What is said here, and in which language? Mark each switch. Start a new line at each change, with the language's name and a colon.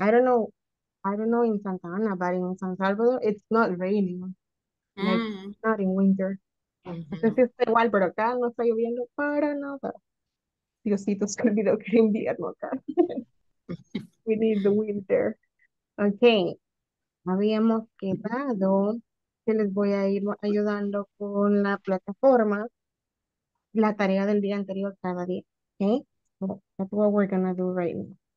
English: I don't know in Santa Ana, but in San Salvador, it's not raining. Like, not in winter.
Spanish: No sé si está igual, pero acá no está lloviendo para nada. Diosito, se olvidó que era invierno acá.
English: We need the winter. Okay.
Spanish: Habíamos quedado que les voy a ir ayudando con la plataforma, la tarea del día anterior cada día.
English: Okay. So, that's what we're gonna do right now.